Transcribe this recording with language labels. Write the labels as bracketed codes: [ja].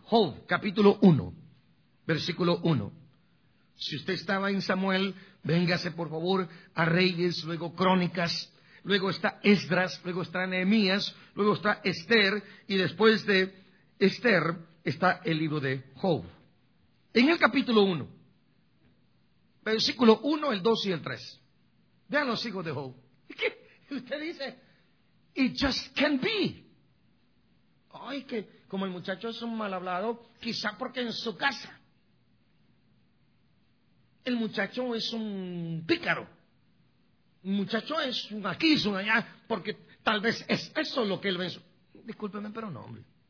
[es] Job, capítulo 1, versículo 1. Si usted estaba en Samuel, véngase por favor a Reyes, luego Crónicas, luego está Esdras, luego está Nehemías, luego está Esther, y después de Esther está el libro de Job. En el capítulo 1, versículo 1, el 2 y el 3. Vean los hijos de Job. ¿Qué? Usted dice, [en] it just can't be. [es] Ay, que como el muchacho es un mal hablado, quizá porque en su casa. El muchacho es un pícaro. El muchacho es un aquí, es un allá, porque tal vez es eso lo que él ve. Discúlpeme, pero no, hombre.